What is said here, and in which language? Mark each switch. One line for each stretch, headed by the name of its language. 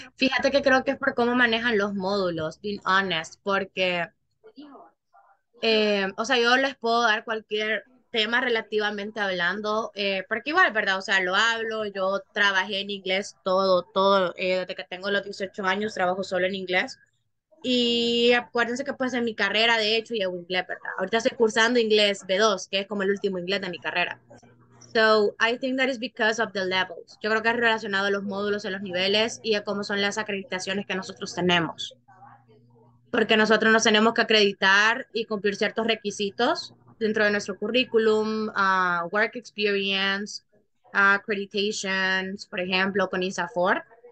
Spanish: Fíjate que creo que es por cómo manejan los módulos,
English: being honest,
Spanish: porque, o sea, yo les puedo dar cualquier tema relativamente hablando, porque igual, ¿verdad? O sea, lo hablo, yo trabajé en inglés todo, desde que tengo los 18 años trabajo solo en inglés. Y acuérdense que pues en mi carrera, de hecho, llevo inglés, ¿verdad? Ahorita estoy cursando inglés B2, que es como el último inglés de mi carrera.
English: So, I think that is because of the levels.
Spanish: Yo creo que es relacionado a los módulos, a los niveles y a cómo son las acreditaciones que nosotros tenemos. Porque nosotros nos tenemos que acreditar y cumplir ciertos requisitos dentro de nuestro currículum,
English: work experience, accreditations,
Spanish: por ejemplo, con ISAFOR.